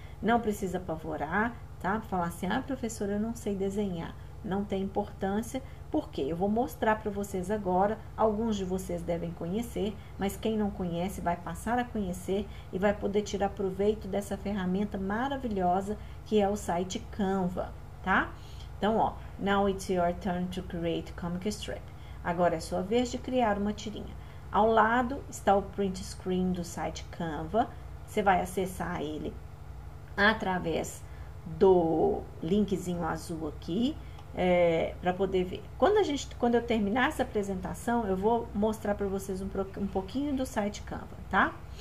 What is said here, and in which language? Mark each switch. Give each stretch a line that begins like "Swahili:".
Portuguese: Não precisa apavorar, tá? Falar assim: ah, professora, eu não sei desenhar. Não tem importância, porque eu vou mostrar para vocês agora. Alguns de vocês devem conhecer, mas quem não conhece vai passar a conhecer e vai poder tirar proveito dessa ferramenta maravilhosa que é o site Canva, tá? Então, ó,
English: now it's your turn to create comic strip.
Portuguese: Agora é sua vez de criar uma tirinha. Ao lado está o print screen do site Canva. Você vai acessar ele através do linkzinho azul aqui. Para poder ver. Quando eu terminar essa apresentação, eu vou mostrar para vocês um pouquinho do site Canva, tá?